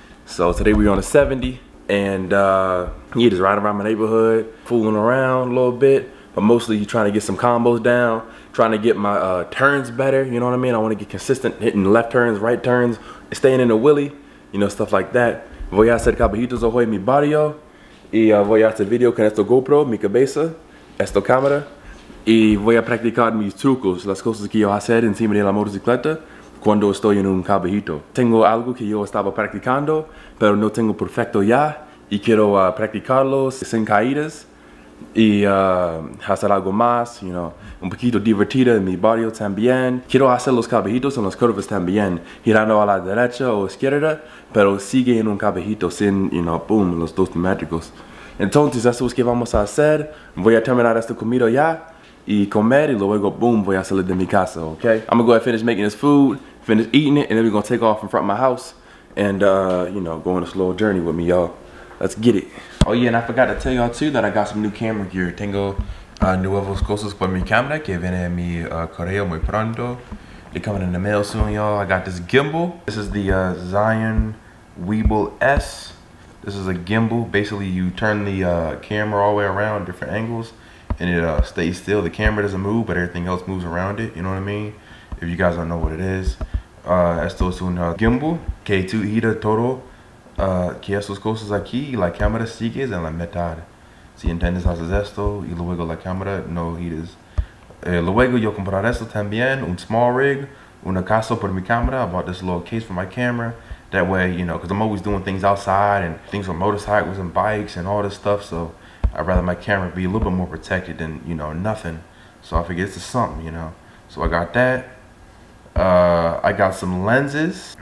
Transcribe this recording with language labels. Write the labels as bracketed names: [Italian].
[English] So today we're on a 70 and yeah, just riding around my neighborhood, fooling around a little bit, but mostly you trying to get some combos down, trying to get my turns better, you know what I mean? I want to get consistent hitting left turns, right turns, staying in a wheelie, you know, stuff like that. [Spanish] Voy a hacer cabajitos ojo en mi barrio y voy a hacer video con esto GoPro, mi cabeza, esto cámara y voy a practicar mis trucos, las cosas que yo hacer encima de la motocicleta. Cuando estoy en un cabajito. Tengo algo que yo estaba practicando, pero no tengo perfecto ya, y quiero practicarlos sin caídas, y hacer algo más, you know, un poquito divertido en mi barrio también. Quiero hacer los cabajitos en las curvas también, girando a la derecha o izquierda, pero sigue en un cabajito sin, you know, boom, los dos neumáticos. Entonces, eso es que vamos a hacer. Voy a terminar esta comida ya, y comer, y luego, boom, voy a salir de mi casa, okay? [English] I'm gonna go ahead and finish making this food, finish eating it, and then we're gonna take off in front of my house, and, you know, go on this little journey with me, y'all. Let's get it. Oh, yeah, and I forgot to tell y'all, too, that I got some new camera gear. [Spanish] Tengo nuevos cosas para mi cámara, que viene en mi correo muy pronto. [English] They're coming in the mail soon, y'all. I got this gimbal. This is the Zion Weeble S. This is a gimbal. Basically, you turn the camera all the way around, different angles, and it stays still. The camera doesn't move, but everything else moves around it. You know what I mean? If you guys don't know what it is. [Spanish] Esto es un gimbal que tú gira todo que estos cosas aquí y la cámara sigue en la mitad. Si entiendes, haces esto y luego la cámara no giras. Luego yo compraré esto también, un small rig, una casa por mi cámara. [English] I bought this little case for my camera. That way, you know, because I'm always doing things outside and things with motorcycles and bikes and all this stuff, so I'd rather my camera be a little bit more protected than, you know, nothing. So I figured it's a something, you know. So I got that. I got some lenses.